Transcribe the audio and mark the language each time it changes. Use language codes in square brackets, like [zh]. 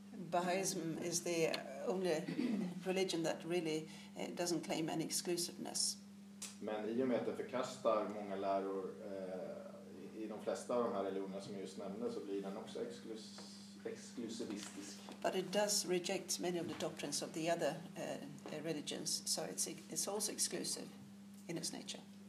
[en] Bahaism is the only religion that really doesn't claim any exclusiveness. [sv] Men i och med att det förkastar många läror i de flesta av de här religionerna som jag just nämnde, så blir den också exklusivistisk. [en] But it does reject many of the doctrines of the other religions, so it's also exclusive in its nature.